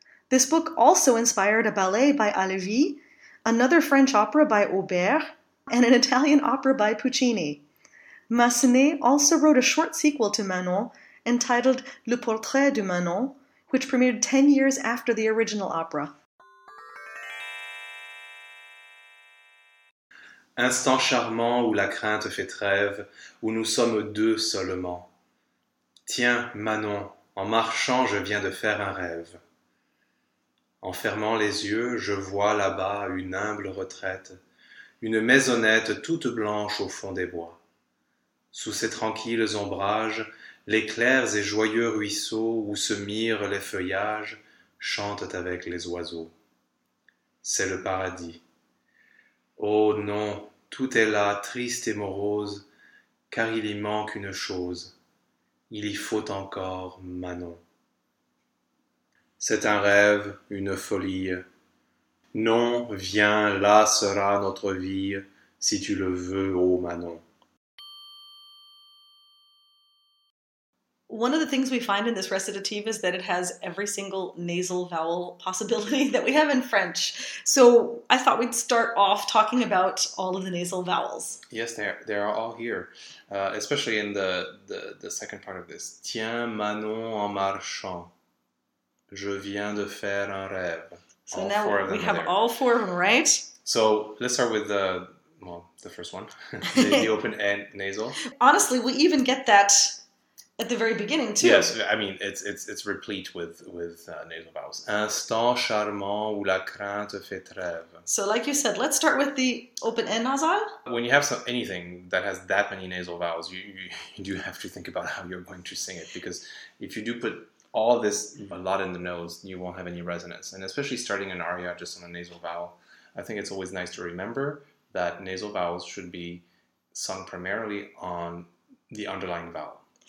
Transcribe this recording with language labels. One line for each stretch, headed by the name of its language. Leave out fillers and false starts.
English: This book also inspired a ballet by Halévy, another French opera by Aubert, and an Italian opera by Puccini. Massenet also wrote a short sequel to Manon, entitled Le Portrait de Manon, which premiered 10 years after the original opera.
French: Instant charmant où la crainte fait trêve, où nous sommes deux seulement. Tiens, Manon, en marchant, je viens de faire un rêve. En fermant les yeux, je vois là-bas une humble retraite, une maisonnette toute blanche au fond des bois. Sous ses tranquilles ombrages, les clairs et joyeux ruisseaux où se mirent les feuillages chantent avec les oiseaux. C'est le paradis. Oh non, tout est là, triste et morose, car il y manque une chose. Il y faut encore Manon. C'est un rêve, une folie. Non, viens, là sera notre vie, si tu le veux, ô Manon.
English: One of the things we find in this recitative is that it has every single nasal vowel possibility that we have in French. So I thought we'd start off talking about all of the nasal vowels. Yes, they are all here, especially in the second part of this.
French: Tiens, Manon, en marchant, je viens de faire un rêve.
English: So all now four of them we have there. All four of them, right? So let's start with the first one, the open N nasal. Honestly, we even get that at the very beginning, too. Yes, I mean, it's replete with nasal vowels.
French: Instant charmant où la crainte fait trêve.
English: So like you said, let's start with the open N nasal. When you have anything that has that many nasal vowels, you do have to think about how you're going to sing it. Because if you do put all this, a lot in the nose, you won't have any resonance. And especially starting an aria just on a nasal vowel, I think it's always nice to remember that nasal vowels should be sung primarily on the underlying vowel.